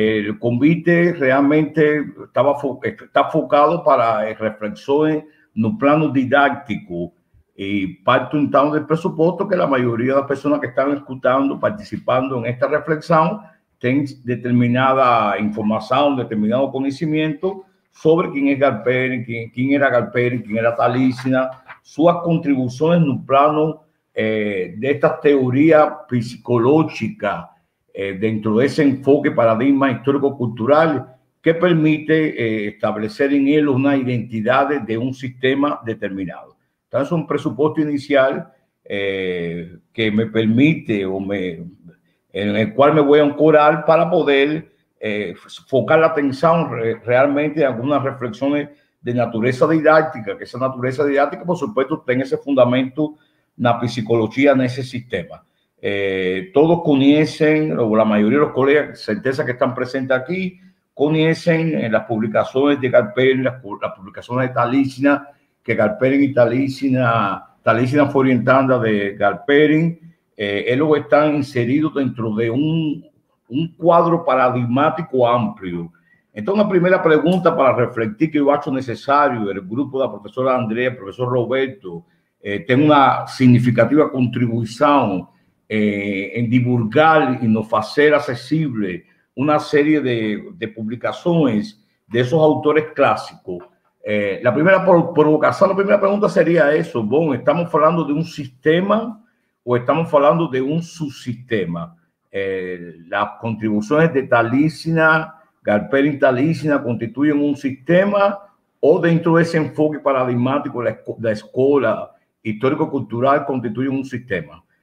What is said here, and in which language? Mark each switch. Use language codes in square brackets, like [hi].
[pt] O convite realmente está focado para reflexões no plano didático e parto então do pressuposto que a maioria das pessoas que estão escutando, participando em esta reflexão, tem determinada informação, determinado conhecimento sobre quem é Galperi, quem era Galperi, quem era Talícina, suas contribuições no plano desta teoria psicológica dentro desse enfoque paradigma histórico-cultural que permite estabelecer em ele uma identidade de um sistema determinado. Então, é um pressuposto inicial que me permite [es] en el cual me voy a ancorar para poder focar la atención realmente en algunas reflexiones de naturaleza didáctica, que esa naturaleza didáctica, por supuesto, tiene ese fundamento en la psicología, en ese sistema. Todos conocen, o la mayoría de los colegas, certeza que están presentes aquí, conocen las publicaciones de Galperi, las publicaciones de Talícina, que Galperi y Talícina fue orientada de Galperi. Ellos están inseridos dentro de un cuadro paradigmático amplio. Entonces, la primera pregunta para reflexionar que yo hago necesario, el grupo de la profesora Andrea, el profesor Roberto, tiene una significativa contribución en divulgar y nos hacer accesible una serie de publicaciones de esos autores clásicos. [pt] A primeira provocação, a primeira pergunta seria isso. Bom, estamos falando de um sistema ou estamos falando de um subsistema? As contribuições de Taliesin, Galperin e Taliesin constituem um sistema ou dentro desse enfoque paradigmático da escola histórico-cultural constitui um sistema?